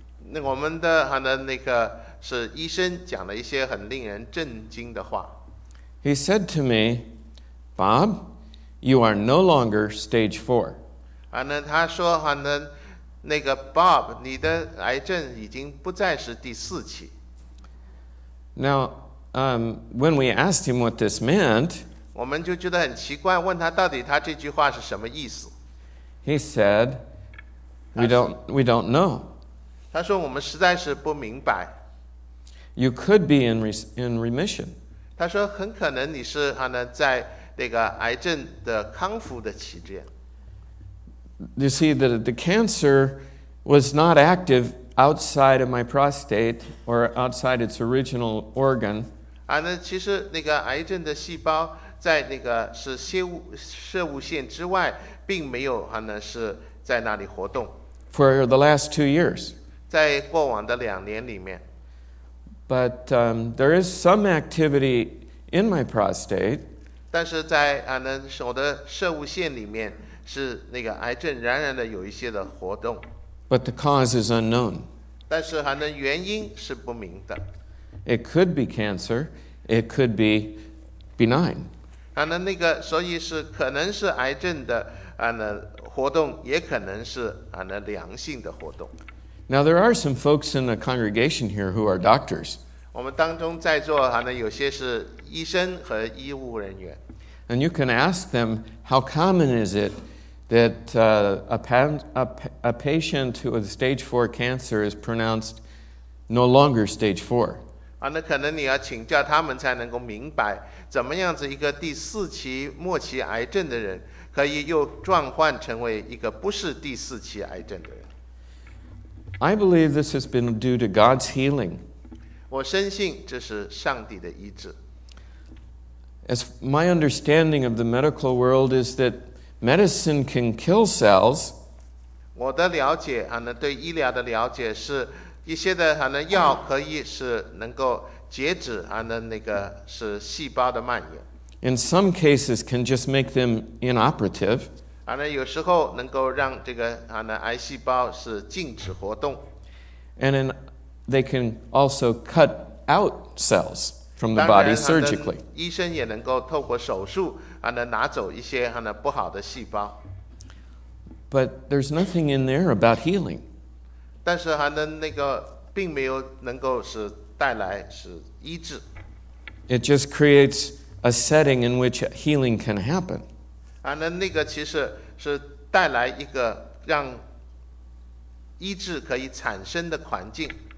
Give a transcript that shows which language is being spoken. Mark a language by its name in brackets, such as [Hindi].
[Chinese] 那我们的那个是医生讲了一些很令人震惊的话。 [English] He said to me, Bob, you are no longer stage 4. [Chinese] 他说那个 Bob, 你的癌症已经不再是第四期。 [English] Now, when we asked him what this meant, [Chinese] 我们就觉得很奇怪，问他到底他这句话是什么意思。 [English] He said, we don't know. [Chinese] 他说我们实在是不明白。 [English] You could be in remission. [Chinese] 他说很可能你是在那个癌症的康复的期间。 [English] You see, the cancer was not active outside of my prostate or outside its original organ. [Chinese] 其实那个癌症的细胞在那个是射物线之外，并没有是在那里活动。 [English] For the last 2 years. [Chinese] 在过往的两年里面。 [English] But there is some activity in my prostate. [Chinese] 但是在我的射物线里面是那个癌症仍然的有一些的活动。 [English] But the cause is unknown. [Chinese] 但是原因是不明的。 [English] It could be cancer. It could be benign. [Chinese] 所以是可能是癌症的活动，也可能是良性的活动。 [English] Now there are some folks in the congregation here who are doctors. [Chinese] 我们当中在座有些是医生和医务人员。 [English] And you can ask them how common is it that a patient with stage 4 cancer is pronounced no longer stage 4. [Chinese] 那可能你要请教他们才能够明白，怎么样子一个第四期末期癌症的人可以又转换成为一个不是第四期癌症的人。 [English] I believe this has been due to God's healing. [Chinese] 我深信这是上帝的医治。 [English] As my understanding of the medical world is that medicine can kill cells. [Chinese] 我的了解，对医疗的了解是一些的药可以是能够截止那个是细胞的蔓延。 [English] In some cases can just make them inoperative. [Chinese] 有时候能够让这个癌细胞是静止活动。 [English] And then they can also cut out cells from the body surgically. [Chinese] 当然，医生也能够透过手术拿走一些不好的细胞。 [English] But there's nothing in there about healing. [Chinese] 但是那个并没有能够是带来是医治。 [English] It just creates a setting in which healing can happen. [Chinese] 那个其实是带来一个让医治可以产生的环境。